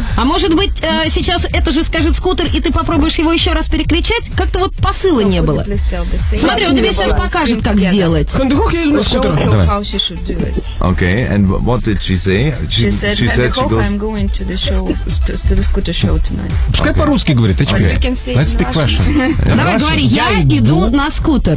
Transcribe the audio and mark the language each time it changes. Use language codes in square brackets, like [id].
[ru] А может быть, сейчас это же скажет скутер, и ты попробуешь его еще раз перекричать? Как-то вот посыла не было. Смотри, он тебе сейчас покажет, как сделать. Хэндэхох, я иду на скутер. [en] Okay, and what did she say? She said, I'm going to the show, to the scooter show tonight. [ru] Пускай по-русски говорит, HP. [en] Let's speak Russian. [ru] Давай, говори, я иду на скутер.